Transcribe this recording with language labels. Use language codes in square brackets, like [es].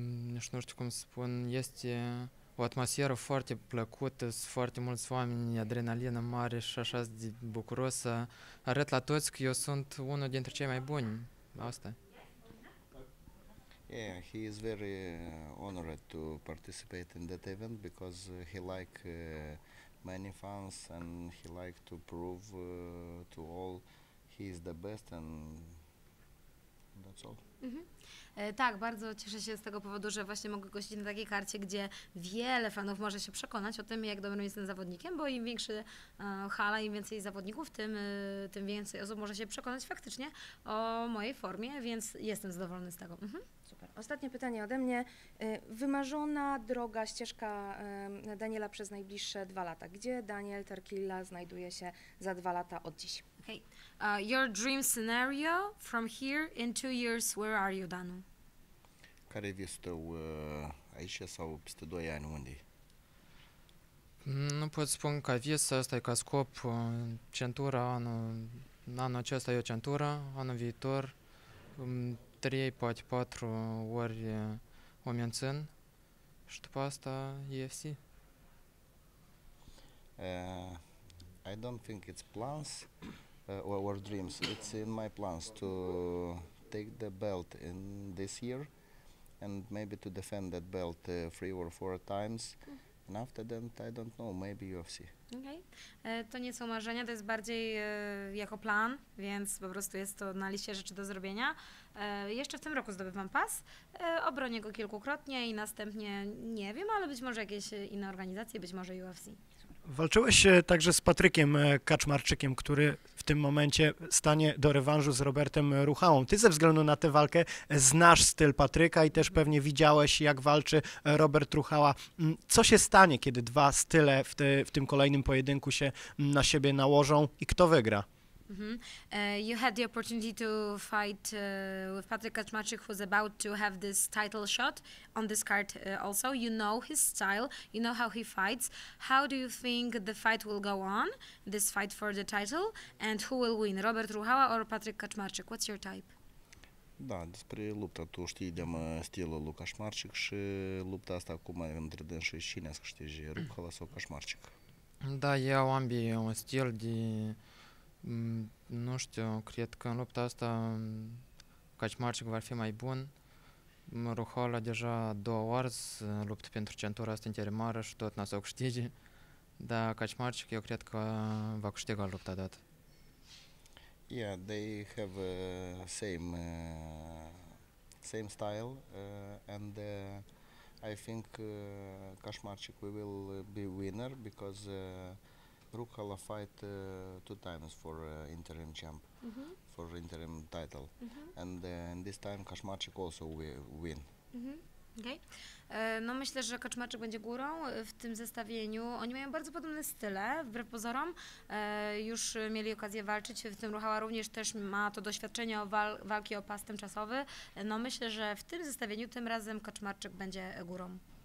[ro] nu știu cum să spun. Este o atmosferă foarte plăcută. Sunt foarte mulți oameni, adrenalină mare și așa de bucurosă. Arăt la toți că eu sunt unul dintre cei mai buni. Asta. [en] Yeah, he is very honored to participate in that event because he like many fans and he like to prove to all he is the best and that's all. [pl] Tak, bardzo cieszę się z tego powodu, że właśnie mogę gościć na takiej karcie, gdzie wiele fanów może się przekonać o tym, jak dobrym jestem zawodnikiem, bo im większy hala, im więcej zawodników, tym więcej osób może się przekonać faktycznie o mojej formie, więc jestem zadowolony z tego. Super. Ostatnie pytanie ode mnie. Wymarzona droga, ścieżka Daniela przez najbliższe 2 lata. Gdzie Daniel Terkilla znajduje się za 2 lata od dziś? [en] Okay. Your dream scenario from here in 2 years, where are you, Danu? [ro] Care visul tău aici sau peste 2 ani, unde? Nu pot spune ca vis, asta e ca scop, centura, anul acesta e o centură, anul viitor, 3, poate 4 ori o mențin și după asta UFC. [en] I don't think it's plans. Our dreams. It's in my plans to take the belt in this year and maybe to defend that belt 3 or 4 times. And after that, I don't know, maybe UFC. Okay. [pl] To nie są marzenia, to jest bardziej jako plan, więc po prostu jest to na liście rzeczy do zrobienia. Jeszcze w tym roku zdobywam pas, obronię go kilkukrotnie i następnie, nie wiem, ale być może jakieś inne organizacje, być może UFC. Walczyłeś także z Patrykiem Kaczmarczykiem, który w tym momencie stanie do rewanżu z Robertem Ruchałą. Ty ze względu na tę walkę znasz styl Patryka i też pewnie widziałeś, jak walczy Robert Ruchała. Co się stanie, kiedy dwa style w tym kolejnym pojedynku się na siebie nałożą i kto wygra? Mm-hmm. [en] You had the opportunity to fight with Patryk Kaczmarczyk, who's about to have this title shot on this card also. You know his style, you know how he fights. How do you think the fight will go on, this fight for the title, and who will win, Robert Ruchała or Patryk Kaczmarczyk? What's your type? [ro] Da, despre lupta, tu știi de stilul lui Kaczmarczyk și lupta asta acum între dânsul și cine să știe, Ruchała sau Kaczmarczyk. Da, eu ambii un stil de... Nu știu, cred că în lupta asta Kaczmarczyk va fi mai bun. Ruchała deja două ori luptă pentru centura asta interimară și tot n-a să o câștige. Dar Kaczmarczyk eu cred că va câștiga lupta dat. [en] Yeah, they have same style and I think Kaczmarczyk will be winner because Ruchała fight two times for interim champ, mm-hmm. for interim title, mm-hmm. and this time Kaczmarczyk also win. Mm-hmm. Okay. [pl] No myślę, że Kaczmarczyk będzie górą w tym zestawieniu. Oni mają bardzo podobne style, wbrew pozorom. Już mieli okazję walczyć, w tym Ruchała również też ma to doświadczenie o walki o pas tymczasowy. No myślę, że w tym zestawieniu tym razem Kaczmarczyk będzie górą.